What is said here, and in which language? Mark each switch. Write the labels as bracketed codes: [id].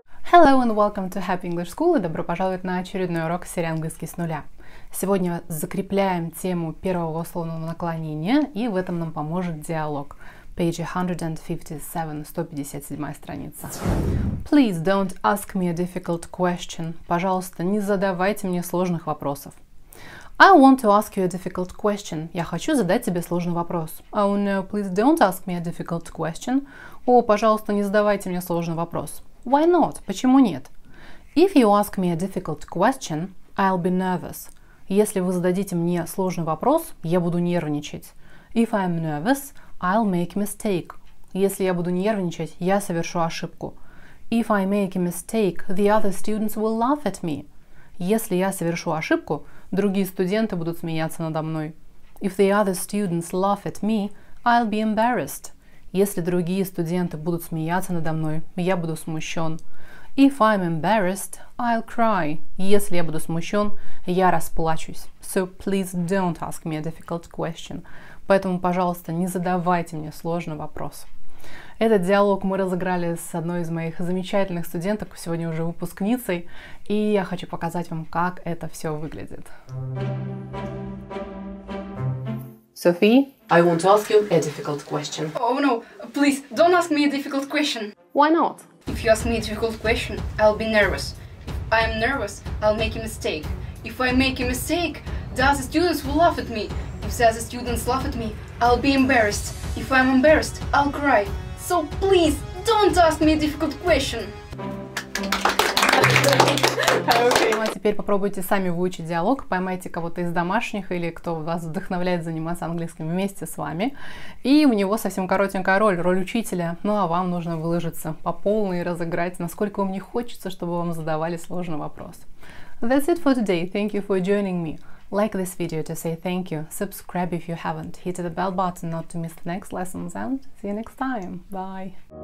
[en] Hello and welcome to Happy English School [ru] и добро пожаловать на очередной урок серии «Английский с нуля». Сегодня закрепляем тему первого глаголного наклонения, и в этом нам поможет диалог. [en] Page 157, 157 страница. Please don't ask me a difficult question. [ru] Пожалуйста, не задавайте мне сложных вопросов. [en] I want to ask you a difficult question. [ru] Я хочу задать тебе сложный вопрос. [en] Oh no, please don't ask me a difficult question. [ru] О, пожалуйста, не задавайте мне сложный вопрос. [en] Why not? [ru] Почему нет? [en] If you ask me a difficult question, I'll be nervous. [ru] Если вы зададите мне сложный вопрос, я буду нервничать. [en] If I'm nervous, I'll make a mistake. [ru] Если я буду нервничать, я совершу ошибку. [en] If I make a mistake, the other students will laugh at me. [ru] Если я совершу ошибку, другие студенты будут смеяться надо мной. [en] If the other students laugh at me, I'll be embarrassed. [ru] Если другие студенты будут смеяться надо мной, я буду смущен. [en] If I'm embarrassed, I'll cry. [ru] Если я буду смущен, я расплачусь. [en] So please don't ask me a difficult question. [ru] Поэтому, пожалуйста, не задавайте мне сложный вопрос. Этот диалог мы разыграли с одной из моих замечательных студенток, сегодня уже выпускницей, и я хочу показать вам, как это все выглядит. [en] Sophie, I want to ask you a difficult question. Oh no, please, don't ask me a difficult question. Why not? If you ask me a difficult question, I'll be nervous. I am nervous, I'll make a mistake. If I make a mistake, the other students will laugh at me. If the other students laugh at me, I'll be embarrassed. If I'm embarrassed, I'll cry. So please, don't ask me a difficult question. [ru] Ну а теперь попробуйте сами выучить диалог, поймайте кого-то из домашних или кто вас вдохновляет заниматься английским вместе с вами. И у него совсем коротенькая роль учителя. Ну а вам нужно выложиться по полной и разыграть, насколько вам не хочется, чтобы вам задавали сложный вопрос. [en] That's it for today. Thank you for joining me. Like this video to say thank you. Subscribe if you haven't. Hit the bell button not to miss the next lessons and see you next time. Bye.